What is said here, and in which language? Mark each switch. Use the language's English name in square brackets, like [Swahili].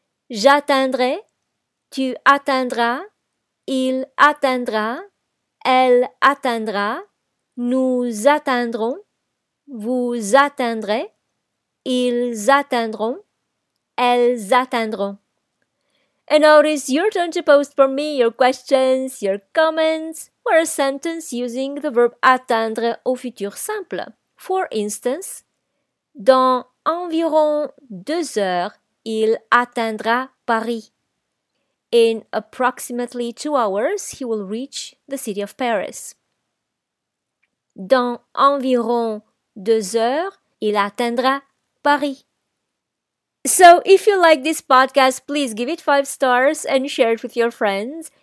[French] J'atteindrai, tu attendras, il attendra, elle attendra, nous attendrons, vous attendrez, ils attendront, elles attendront. [English] And now it is your turn to post for me your questions, your comments, or a sentence using the verb attendre au futur simple. For instance, [French] dans environ 2 heures, il atteindra Paris. [English] In approximately 2 hours, he will reach the city of Paris. [French] Dans environ 2 heures, il atteindra Paris. [English] So, if you like this podcast, please give it 5 stars and share it with your friends.